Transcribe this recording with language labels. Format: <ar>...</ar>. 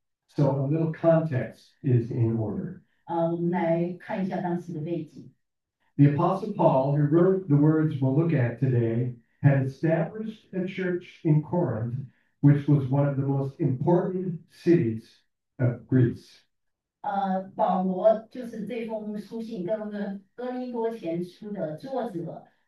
<en>So a little context is in order.</en> <zh>我们来看一下当时的背景。</zh> <en>The Apostle Paul, who wrote the words we'll look at today, had established a church in Corinth, which was one of the most important cities of Greece.</en> <zh>保罗就是这封书信，哥林多前书的作者。</zh>